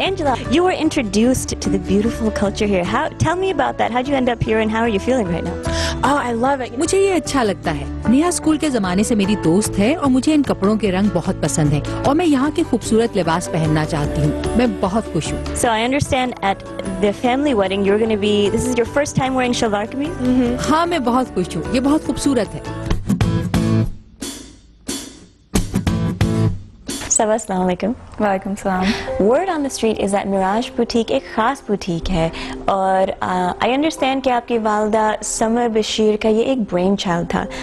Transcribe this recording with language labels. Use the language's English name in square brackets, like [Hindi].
[English] Angela, you were introduced to the beautiful culture here. Tell me about that. How'd you end up here and how are you feeling right now? Oh, I love it. [Hindi] मुझे ये अच्छा लगता है. Neha school के जमाने से मेरी दोस्त है और मुझे इन कपड़ों के रंग बहुत पसंद है और मैं यहाँ के खूबसूरत लिबास पहनना चाहती हूँ. मैं बहुत खुश हूँ. [English] So I understand at the family wedding you're going to be, this is your first time wearing shalwar kameez? [Hindi] हाँ, मैं बहुत खुश हूँ. ये बहुत खूबसूरत है. [Arabic] Assalamu alaikum. Wa alaikum salam. [English] Word on the street is that [Hindi] Mirage Boutique ek khas boutique hai. Aur [English] I understand [Hindi] ki aapki walida Samar Bashir ka ye ek brainchild tha.